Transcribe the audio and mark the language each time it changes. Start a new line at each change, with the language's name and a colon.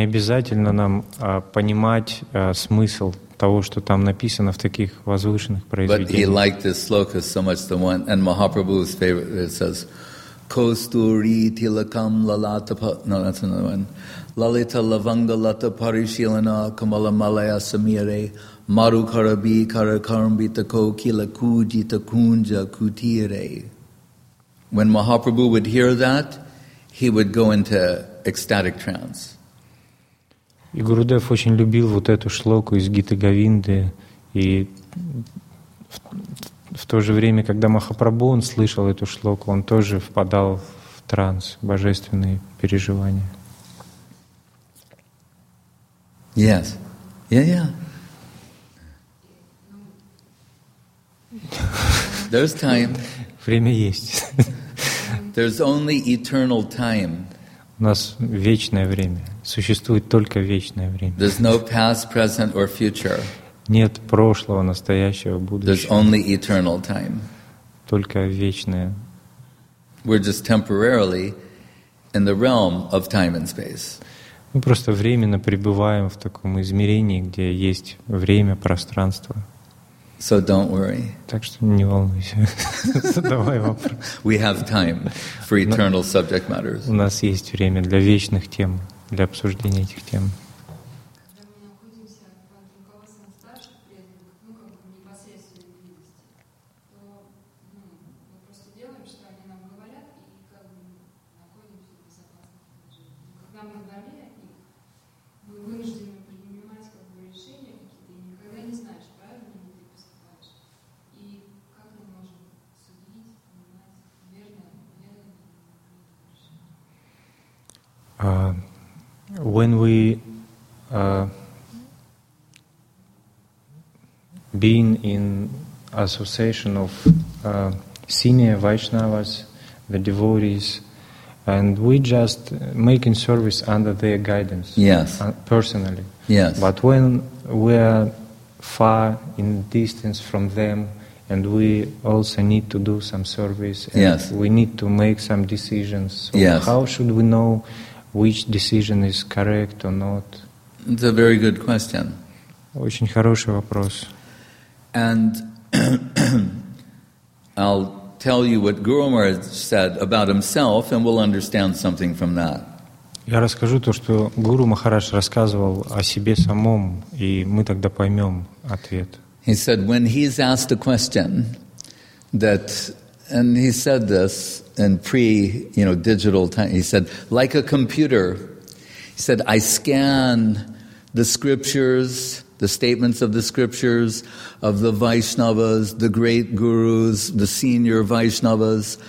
Russian: обязательно нам понимать смысл того, что там написано в таких возвышенных произведениях.
English: But he liked this sloka so much, the one, and Mahaprabhu's favorite, it says,
Sanskrit: Kosturi tilakam lalatapa.
English: No, that's another one.
Sanskrit: Lalita lavanga lata parishilana kamala malaya samire maru karabi karakarambita ko kila kujita kunja kutire.
English: When Mahaprabhu would hear that, he would go into ecstatic trance.
Russian: И Гурудев очень любил вот эту шлоку из Гиты Говинды. И в то же время, когда Махапрабху, он слышал эту шлоку, он тоже впадал в транс, божественные переживания.
English: Yes. Yeah, yeah. There's time.
Russian: Время есть.
English: There's only eternal time.
Russian: У нас вечное время. Существует только вечное время.
English: There's no past, present or future.
Russian: Нет прошлого, настоящего, будущего.
English: There's only eternal time.
Russian: Только вечное.
English: We're just temporarily in the realm of time and space.
Russian: Мы просто временно пребываем в таком измерении, где есть время, пространство.
English: So don't worry.
Russian: Так что не волнуйся. Задавай вопрос.
English: We have time for eternal subject matters.
Russian: У нас есть время для вечных тем, для обсуждения этих тем. Когда мы находимся нам на дворе, и мы вынуждены принимать как бы решения какие-то, и никогда не знаешь, правильно ли ты поступаешь. И как мы можем судить, понимать, верно ли это решение?
English: When we being in association of senior Vaishnavas, the devotees, and we just making service under their guidance, yes, personally. Yes. But when we are far in distance from them, and we also need to do some service, and yes, we need to make some decisions, so yes, how should we know which decision is correct or not? It's a very good question.
Russian: Очень хороший вопрос.
English: And I'll tell you what Guru Maharaj said about himself, and we'll understand something from that.
Russian: Я расскажу то, что Гуру Махарадж рассказывал о себе самом, и мы тогда поймем ответ.
English: He said when he's asked a question that, and he said this in pre, you know, digital time. He said, like a computer. He said, I scan the scriptures, the statements of the scriptures of the Vaishnavas, the great gurus, the senior Vaishnavas.